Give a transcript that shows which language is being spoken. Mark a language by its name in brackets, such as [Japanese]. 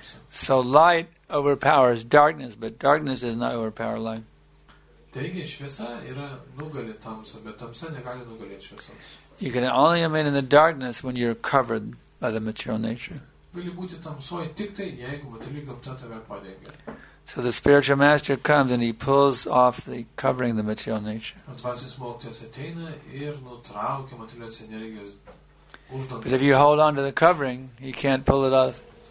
[English] So light overpowers darkness, but darkness does not overpower light. [Lithuanian] Taigi, šviesa yra nugali tamsą, bet tamsa negali nugalėti šviesos. [English] You can only remain in the darkness when you're covered by the material nature. [Lithuanian] Gali būti tamsoj tik tai, jeigu materialiai gamta tave padengia. [English] So the spiritual master comes and he pulls off the covering the material nature. But if you hold on to the covering, you can't pull it off.